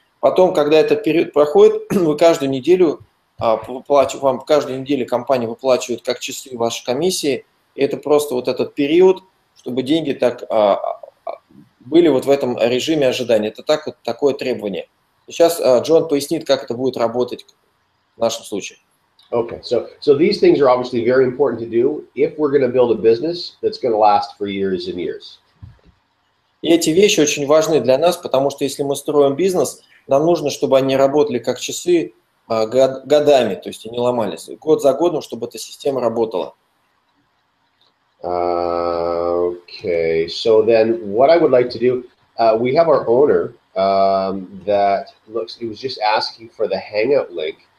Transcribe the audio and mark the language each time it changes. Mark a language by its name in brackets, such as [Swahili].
[Russian] Потом, когда этот период проходит, вы каждую неделю, вам каждую неделю компания выплачивает как часы вашей комиссии, и это просто вот этот период, чтобы деньги так были вот в этом режиме ожидания. Это так вот такое требование. Сейчас Джон пояснит, как это будет работать в нашем случае. [English] Okay, so these things are obviously very important to do if we're going to build a business that's going to last for years and years. [Russian] И эти вещи очень важны для нас, потому что если мы строим бизнес, нам нужно, чтобы они работали как часы годами, то есть они ломались год за годом, чтобы эта система работала. [English] Okay, so then what I would like to do, we have our owner that looks, he was just asking for the hangout link.